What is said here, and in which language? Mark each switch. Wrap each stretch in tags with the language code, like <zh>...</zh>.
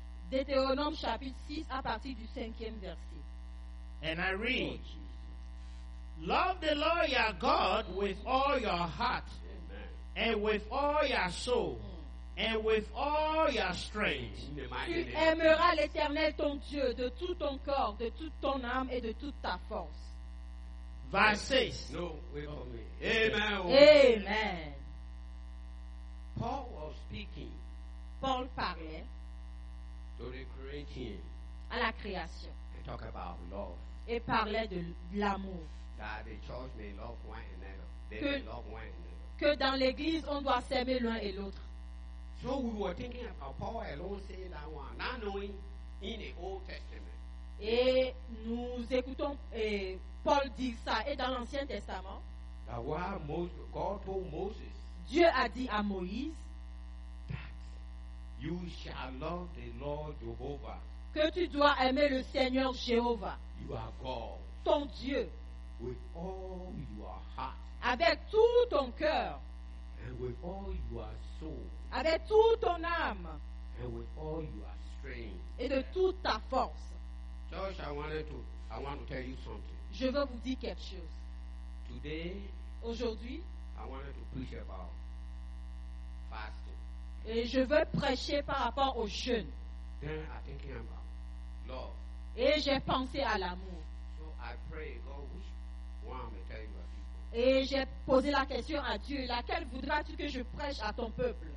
<fr>Deutéronome chapitre 6 à partir du 5e verset.</fr> <en>And I read, love the Lord your God with all your heart. And with all your soul, and with all your strength.</en> <fr>Tu aimeras l'Éternel ton Dieu de tout ton corps, de toute ton âme et de toute ta force.</fr> <en>Verse 6. No, wait for me. Amen. Amen. Paul was speaking.</en> <fr>Paul parlait.</fr> <en>To the creation.</en> <fr>À la création.</fr> <en>He talked about love.</en> <fr>Et parlait de l'amour.</fr> <en>That the church may love one another. They may love one another.</en> <fr>Que dans l'église, on doit s'aimer l'un et l'autre.</fr> <en>So we were thinking about Paul alone saying that one, not knowing in the Old Testament.</en> <fr>Et nous écoutons et Paul dit ça et dans l'Ancien Testament.</fr> <en>That God told Moses.</en> <fr>Dieu a dit à Moïse</fr> <en>that you shall love the Lord Jehovah.</en> <fr>Que tu dois aimer le Seigneur Jéhovah.</fr> <en>You are God.</en> <fr>Ton Dieu.</fr> <en>With all your heart.</en> <fr>Avec tout ton cœur.</fr> <en>And with all your soul.</en> <fr>Avec tout ton âme.</fr> <en>And with all your strength.</en> <fr>Et de toute ta force.</fr> <en>Church, I want to tell you something.</en> <fr>Je veux vous dire quelque chose.</fr> <en>Today.</en> <fr>Aujourd'hui.</fr> <en>I wanted to preach about fasting.</en> <fr>Et je veux prêcher par rapport au jeûne.</fr> <en>Then I'm thinking about love.</en> <fr>Et j'ai pensé à l'amour.</fr> <en>So I pray God which one may tell your people.</en> <fr>Et j'ai posé la question à Dieu, laquelle voudras-tu que je prêche à ton peuple?</fr>